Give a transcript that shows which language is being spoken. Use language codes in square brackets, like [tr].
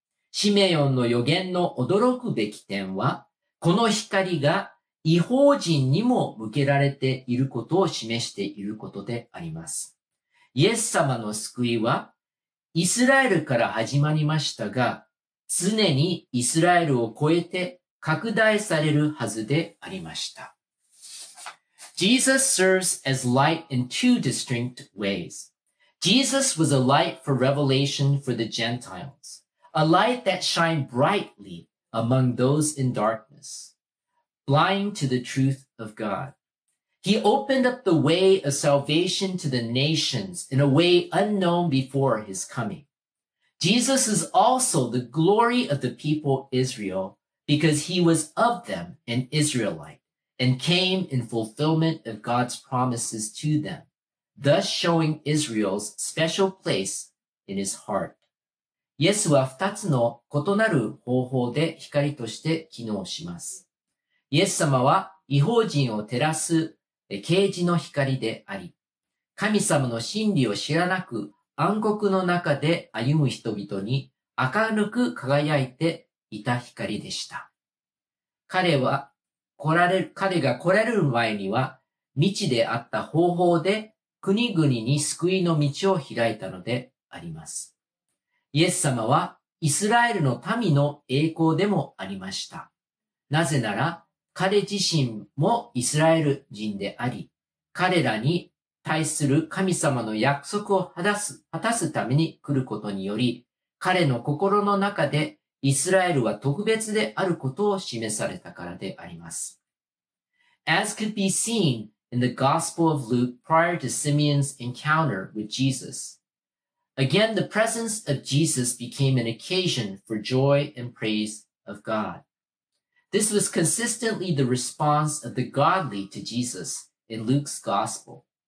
[ja] シメヨンの予言の驚くべき点は、この光が異邦人にも向けられていることを示していることであります。イエス様の救いはイスラエルから始まりましたが、常にイスラエルを超えて拡大されるはずでありました。 [en] Jesus serves as light in two distinct ways. Jesus was a light for revelation for the Gentiles, a light that shined brightly among those in darkness, blind to the truth of God. He opened up the way of salvation to the nations in a way unknown before his coming. Jesus is also the glory of the people Israel because he was of them an Israelite and came in fulfillment of God's promises to them, thus showing Israel's special place in his heart. [ja] イエスは二つの異なる方法で光として機能します。イエス様は異邦人を照らす啓示の光であり、神様の真理を知らなく暗黒の中で歩む人々に明るく輝いていた光でした。彼が来られる前には、未知であった方法で国々に救いの道を開いたのであります。イエス様はイスラエルの民の栄光でもありました。なぜなら、彼自身もイスラエル人であり、彼らに対する神様の約束を果たすために来ることにより、彼の心の中でイスラエルは特別であることを示されたからであります。 [en] As could be seen in the Gospel of Luke prior to Simeon's encounter with Jesus, again the presence of Jesus became an occasion for joy and praise of God. This was consistently the response of the godly to Jesus in Luke's gospel.